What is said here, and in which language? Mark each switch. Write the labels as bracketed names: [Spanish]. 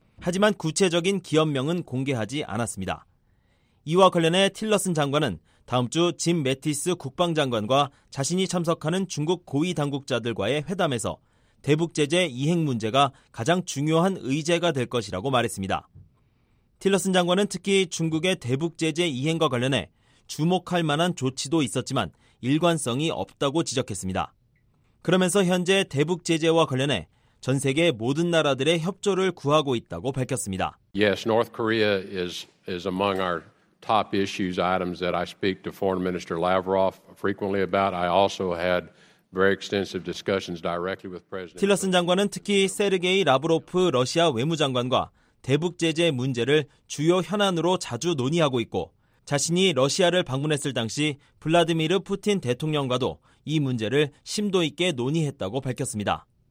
[Korean] 하지만 구체적인 기업명은 공개하지 않았습니다. 이와 관련해 틸러슨 장관은 다음 주 짐 매티스 국방장관과 자신이 참석하는 중국 고위 당국자들과의 회담에서 대북 제재 이행 문제가 가장 중요한 의제가 될 것이라고 말했습니다. 틸러슨 장관은 특히 중국의 대북 제재 이행과 관련해 주목할 만한 조치도 있었지만 일관성이 없다고 지적했습니다. 그러면서 현재 대북 제재와 관련해 전 세계 모든 나라들의 협조를 구하고 있다고 밝혔습니다. [English] Yes, North Korea is among our top issues items that I speak to Foreign Minister Lavrov frequently about. I also had very extensive discussions directly with President. [Korean] 틸러슨 장관은 특히 세르게이 라브로프 러시아 외무장관과 대북 제재 문제를 주요 현안으로 자주 논의하고 있고 자신이 러시아를 방문했을 당시 블라디미르 푸틴 대통령과도 이 문제를 심도 있게 논의했다고 밝혔습니다.